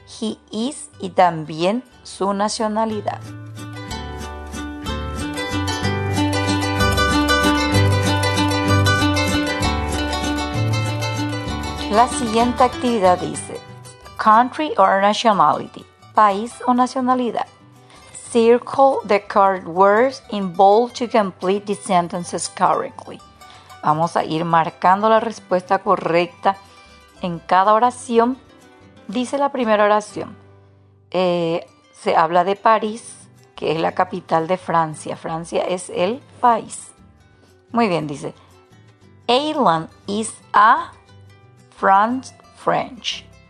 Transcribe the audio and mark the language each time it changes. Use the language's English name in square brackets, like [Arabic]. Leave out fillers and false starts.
[English] He is [Spanish] y también su nacionalidad. La siguiente actividad dice, [English] country or nationality, [Spanish] país o nacionalidad. [English] Circle the correct words in bold to complete the sentences correctly. [Spanish] Vamos a ir marcando la respuesta correcta en cada oración. Dice la primera oración, se habla de París, que es la capital de Francia. Francia es el país. Muy bien, dice, [English] Alan is a French.